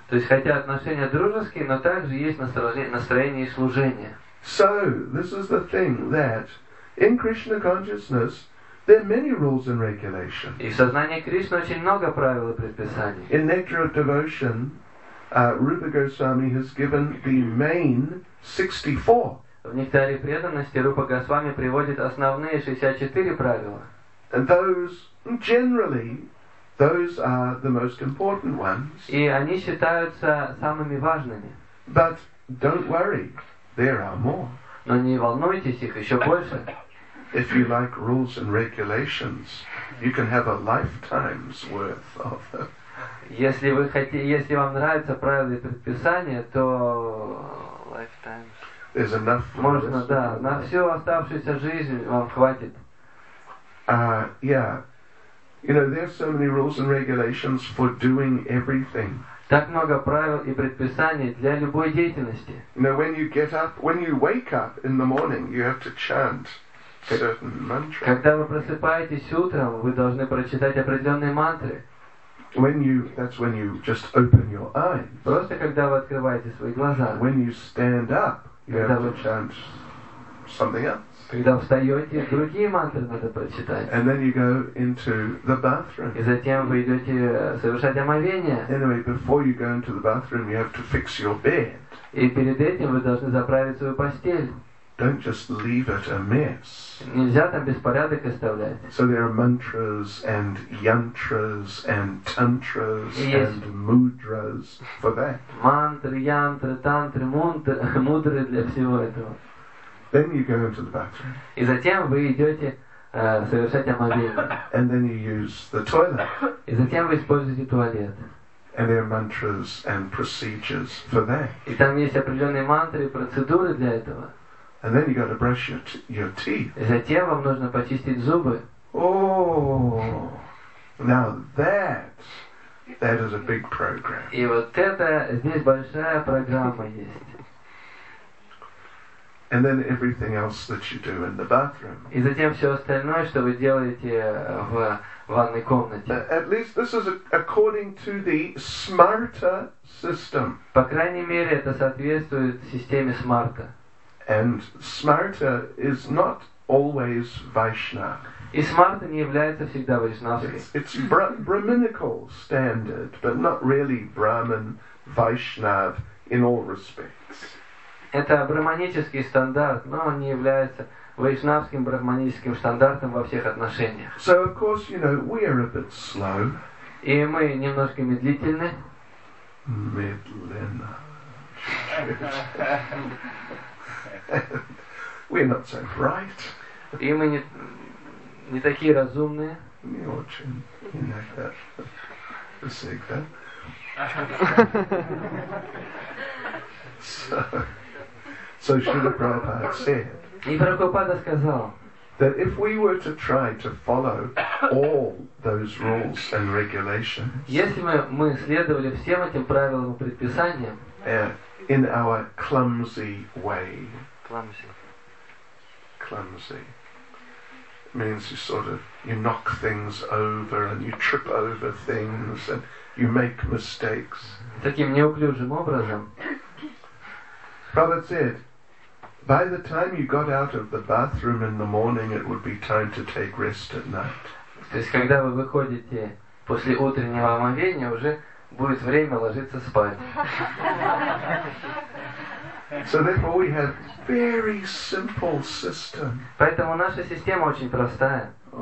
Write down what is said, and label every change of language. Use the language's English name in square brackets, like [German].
[Russian] То есть хотя отношения дружеские, но также есть настроение и служение. [English] So this is the thing that in Krishna consciousness there are many rules and regulations. [Russian] И в сознании Кришны очень много правил и предписаний. [English] In Nectar of Devotion, Rupa Goswami has given the main 64. [Russian] В Нектаре преданности Рупа Госвами приводит основные 64 правила. [English] And those, generally, those are the most important ones. [Russian] И они считаются самыми важными. [English] But don't worry, there are more. [Russian] Но не волнуйтесь, их еще больше. [English] If you like rules and regulations, you can have a lifetime's worth of them. [Russian] Если вам нравятся правила и предписания, то [English] lifetime's. There's enough. [Russian] Можно, да, на всю оставшуюся жизнь вам хватит. [English] Yeah, you know there's so many rules and regulations for doing everything. [Russian] Так много правил и предписаний для любой деятельности. [English] You know, when you get up, when you wake up in the morning, you have to chant certain mantras. [Russian] Когда вы просыпаетесь утром, вы должны прочитать определенные мантры. [English] That's when you just open your eyes. [Russian] Просто когда вы открываете свои глаза. [English] When you stand up. You have to chant something else. [Russian] Когда встаете, другие мантры надо прочитать. [English] And then you go into the bathroom. [Russian] И затем вы идете совершать омовение. [English] Anyway, before you go into the bathroom, you have to fix your bed. [Russian] И перед этим вы должны заправить свою постель. [English] Don't just leave it a mess. [Russian] Нельзя там беспорядок оставлять. [English] So there are mantras and yantras and tantras and mudras for that. [Russian] Мантры, янтры, тантры, мудры для всего этого. [English] Then you go into the bathroom. [Russian] И затем вы идете совершать омовение. [English] And then you use the toilet. [Russian] И затем вы используете туалет. [English] And there are mantras and procedures for that. [Russian] И там есть определенные мантры и процедуры для этого. [English] And then you got to brush your teeth. [Russian] И затем вам нужно почистить зубы. [English] Oh, now that is a big program. [Russian] И вот это здесь большая программа есть. [English] And then everything else that you do in the bathroom. [Russian] И затем все остальное, что вы делаете в ванной комнате. [English] At least this is according to the SMARTA system. [Russian] По крайней мере, это соответствует системе SMARTA. [English] And smarta is not always Vaishnava. [Russian] И смарта не является всегда вайшнавской. [English] It's brahminical standard, but not really Brahman Vaishnav in all respects. [Russian] Это брахманический стандарт, но он не является вайшнавским брахманическим стандартам во всех отношениях. [English] So of course, you know, we are a bit slow. [Russian] И мы немножко медлительны. Медленно. [English] We're not so bright. [Russian] И мы не такие разумные. Не очень иногда. Всегда. [English] So Srila Prabhupada said. [Russian] И Прабхупада сказал. [English] That if we were to try to follow all those rules and regulations, [Russian] если мы следовали всем этим правилам и предписаниям, [English] in our clumsy way, clumsy means you sort of you knock things over and you trip over things and you make mistakes. [Russian] Таким неуклюжим образом. [English] Prabhupada said. By the time you got out of the bathroom in the morning, it would be time to take rest at night. [Russian] То есть, когда вы выходите после утреннего омовения, уже будет время ложиться спать. [English] So therefore, we have very simple system. [Russian] Поэтому наша система очень простая.